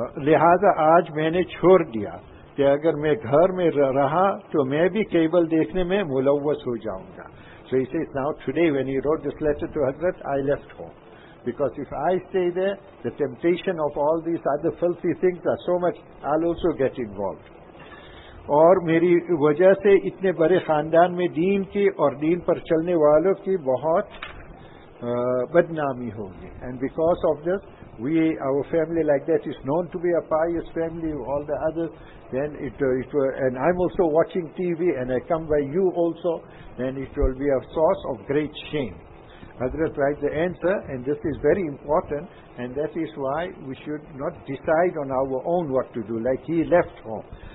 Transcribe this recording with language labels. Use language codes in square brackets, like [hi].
[ur] لہذا آج میں نے چھوڑ دیا کہ اگر میں گھر میں رہا تو میں بھی کیبل دیکھنے میں ملوث ہو جاؤں گا. [en] So he says, now today when he wrote this letter to Hazrat, I left home. Because if I stay there, the temptation of all these other filthy things are so much, I'll also get involved. [ur] اور میری وجہ سے اتنے بڑے خاندان میں دین کی اور دین پر چلنے والوں کی بہت بدنامی ہوگی. [en] And because of this, our family like that is known to be a pious family, all the others. Then and I'm also watching TV and I come by you also, then it will be a source of great shame. Hazrat writes the answer, and this is very important, and that is why we should not decide on our own what to do, like he left home.